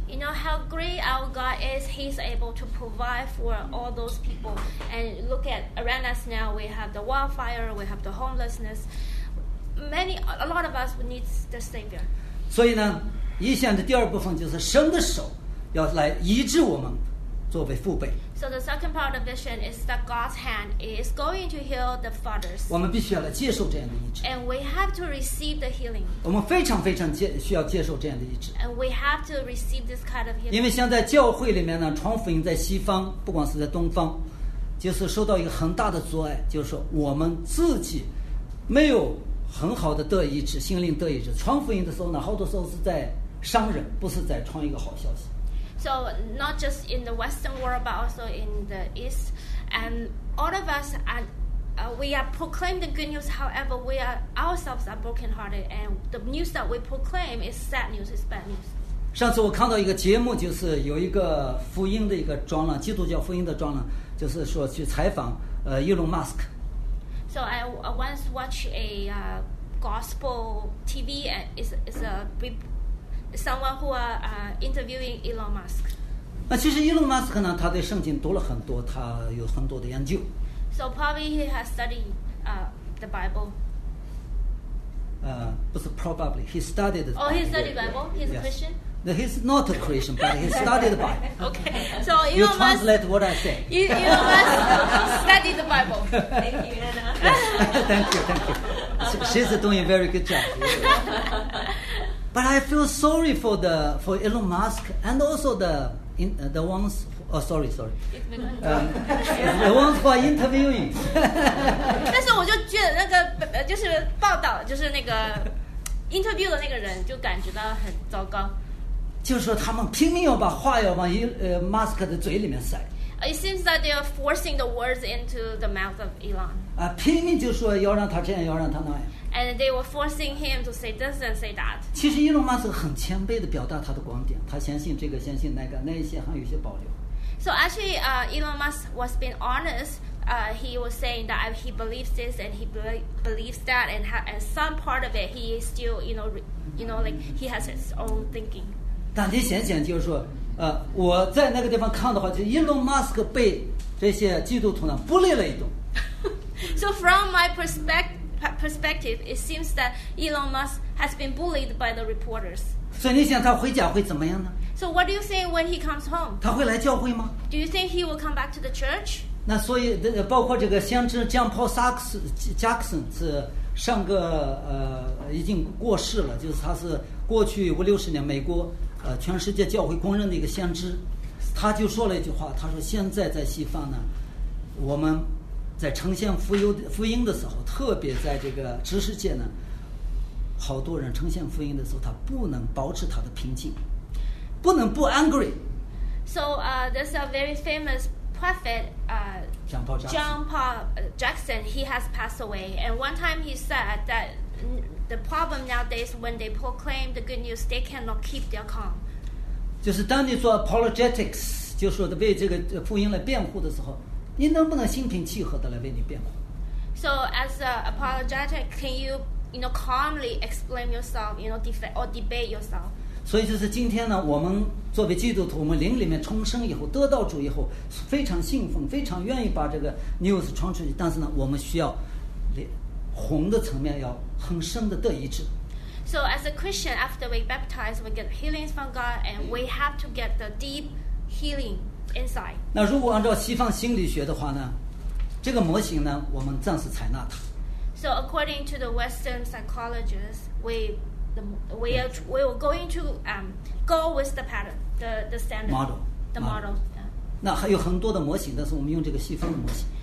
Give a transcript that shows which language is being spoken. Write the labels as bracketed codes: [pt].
[en] You know how great our God is. He's able to provide for all those people. And look at around us now. We have the wildfire. We have the homelessness. A lot of us need the Savior. [zh] 所以呢，以象的第二部分就是神的手要来医治我们，作为父辈。 [en] So the second part of the vision is that God's hand is going to heal the fathers. [zh] 我们必须要来接受这样的医治。 [en] And we have to receive the healing. [zh] 我们非常非常需要接受这样的医治。 [en] And we have to receive this kind of healing. [zh] 因为现在教会里面呢，传福音在西方，不管是在东方，就是受到一个很大的阻碍，就是说我们自己没有很好的得医治，心灵得医治。传福音的时候呢，好多时候是在伤人，不是在传一个好消息。 [en] So not just in the Western world, but also in the East, and all of us we are proclaim the good news. However, we are ourselves are brokenhearted, and the news that we proclaim is sad news. It's bad news. [zh] 上次我看到一个节目，就是有一个福音的一个专栏，基督教福音的专栏，就是说去采访Elon Musk. [en] So I once watched a gospel TV, and it's someone who are interviewing Elon Musk. [zh] 那其实 Elon Musk 呢，他对圣经读了很多，他有很多的研究。 [en] So probably he has studied the Bible. [zh] 不是 [en] probably, he studied. Oh, he studied Bible. He's a Christian. Yes. No, he's not a Christian, but he studied the Bible. Okay, so Elon Musk. You translate what I say. Elon Musk studied the Bible. Thank you, Anna. Thank you. She's doing a very good job. But I feel sorry for Elon Musk and also the ones who are interviewing. [zh] 但是我就觉得那个就是报道就是那个 interview 的那个人就感觉到很糟糕。就是说他们拼命要把话要往Musk 的嘴里面塞。 [en] It seems that they are forcing the words into the mouth of Elon. [zh] 拼命就说要让他这样，要让他那样。 [en] And they were forcing him to say this and say that. [zh] 其实伊隆马斯很谦卑地表达他的观点，他相信这个，相信那个，那一些还有一些保留。 [en] So actually, Elon Musk was being honest. He was saying that he believes this and he believes that, and and some part of it he is still, like he has his own thinking. [zh] 但你想想，就是说，我在那个地方看的话，就 Elon Musk 被这些基督徒呢不累了一顿。 [en] So from my perspective, it seems that Elon Musk has been bullied by the reporters. [zh] 所以你想他回家会怎么样呢？ [en] So what do you think when he comes home? [zh] 他会来教会吗？ [en] Do you think he will come back to the church? [zh] 那所以包括这个先知 John Paul Jackson 是上个已经过世了，就是他是过去五六十年美国全世界教会公认的一个先知，他就说了一句话，他说现在在西方呢，我们在呈现福音的时候，特别在这个知识界呢，好多人呈现福音的时候，他不能保持他的平静。不能不 angry. [en] So there's a very famous prophet, John Paul Jackson. He has passed away. And one time he said that the problem nowadays when they proclaim the good news, they cannot keep their calm. [zh] 就是当你做 apologetics, 就是为这个福音来辩护的时候，你能不能心平气和的来为你辩护？ [en] So as an apologetic, can you, calmly explain yourself, debate yourself? [zh] 所以就是今天呢，我们作为基督徒，我们灵里面重生以后，得到主以后，非常信奉，非常愿意把这个 news 传出去。但是呢，我们需要魂的层面要很深的得医治。 [en] So as a Christian, after we baptize, we get healings from God, and we have to get the deep healing inside. [zh] 那如果按照西方心理学的话呢，这个模型呢，我们暂时采纳它。 [en] So according to the Western psychologists, we will going to go with the pattern, the standard model. The model. Yeah. [zh] 那还有很多的模型，但是我们用这个西方的模型。